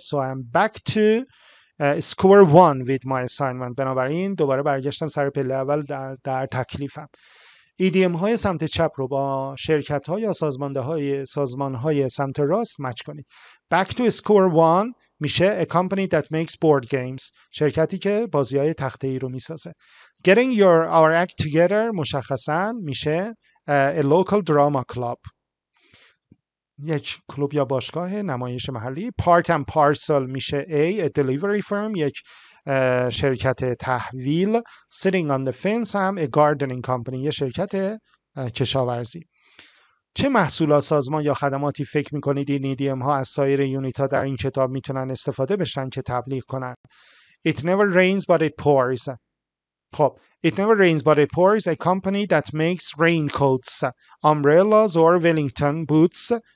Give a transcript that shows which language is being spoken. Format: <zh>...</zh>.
<en>So I'm back to square one with my assignment.</en> <fa>بنابراین دوباره برگشتم سر پله اول در تکلیفم. ایدیم های سمت چپ رو با شرکت ها یا سازمان های سمت راست مچ کنید.</fa> <en>Back to square one میشه a company that makes board games.</en> <fa>شرکتی که بازی های تخته‌ای رو میسازه.</fa> <en>Getting our act together مشخصاً میشه a local drama club.</en> <fa>یک کلوب یا باشگاه نمایش محلی.</fa> <en>Part and parcel میشه a delivery firm،</en> <fa>یک شرکت تحویل.</fa> <en>Sitting on the fence هم a gardening company،</en> <fa>یه شرکت کشاورزی. چه محصول ها، سازمان یا خدماتی فکر میکنید این ایدیم ها از سایر یونیت ها در این کتاب میتونن استفاده بشن که تبلیغ کنن؟</fa> <en>It never rains but it pours. خب It never rains but it pours. A company that makes raincoats, umbrellas or Wellington boots.</en>